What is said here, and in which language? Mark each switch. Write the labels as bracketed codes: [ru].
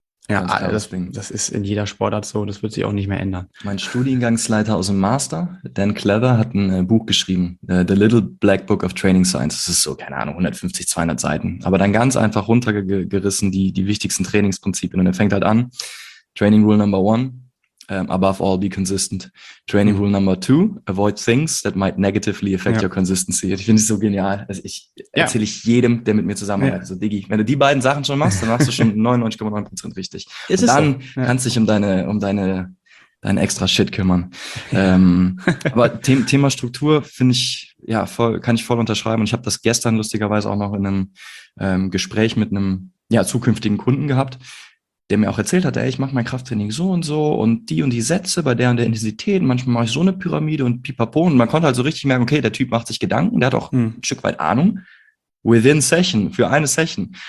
[de] Ja, das ist in jeder Sportart so, das wird sich auch nicht mehr ändern. Mein Studiengangsleiter aus dem Master, Dan Clever, hat ein Buch geschrieben, The Little Black Book of Training Science. Das ist so, keine Ahnung, 150, 200 Seiten. Aber dann ganz einfach runtergerissen die wichtigsten Trainingsprinzipien. Und er fängt halt an, [en] Training Rule Number 1, above all be consistent. Training Rule Number 2, avoid things that might negatively affect your consistency. [de] Ich finde es so genial. Also ich erzähle ich jedem, der mit mir zusammenarbeitet. Ja. So, Diggi, wenn du die beiden Sachen schon machst, dann machst du schon 99,9% richtig. Ist dann so. Kannst du dich um deine extra Shit kümmern. aber Thema Struktur finde ich, ja, voll, kann ich voll unterschreiben. Und ich habe das gestern lustigerweise auch noch in einem Gespräch mit einem zukünftigen Kunden gehabt, der mir auch erzählt hat, ey, ich mache mein Krafttraining so und so und die Sätze bei der und der Intensität, manchmal mache ich so eine Pyramide und pipapo und man konnte halt so richtig merken, okay, der Typ macht sich Gedanken, der hat auch ein Stück weit Ahnung, [en] within Session, [de] für eine Session.